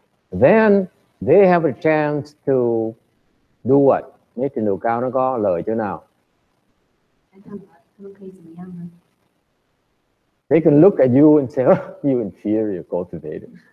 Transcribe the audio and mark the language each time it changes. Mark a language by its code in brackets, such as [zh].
[en] Then they have a chance to do what? [vi] Nếu trình độ cao nó có lợi chỗ nào? [en] They can look at you and say, oh, you inferior cultivator.